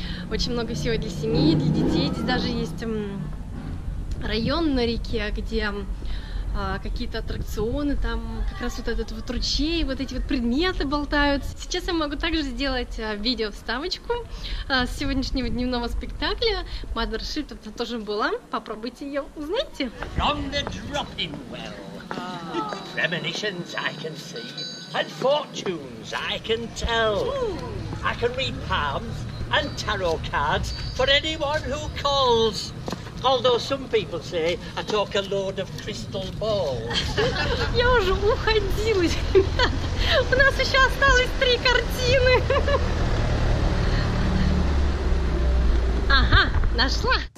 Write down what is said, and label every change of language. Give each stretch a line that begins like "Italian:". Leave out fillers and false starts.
Russian: Очень много всего для семьи, для детей. Здесь даже есть район на реке, где какие-то аттракционы, там как раз вот этот вот ручей, вот эти вот предметы болтаются. Сейчас я могу также сделать видео-вставочку с сегодняшнего дневного спектакля. Мадер Шиптон там тоже была. Попробуйте ее, узнаете?
English: From the dropping well. Premonitions I can see, and fortunes I can tell. I can read palms and tarot cards for anyone who calls. Although some people say I talk a load of crystal balls.
Russian: Я уже уходила, ребята. У нас еще осталось три картины. Ага, нашла.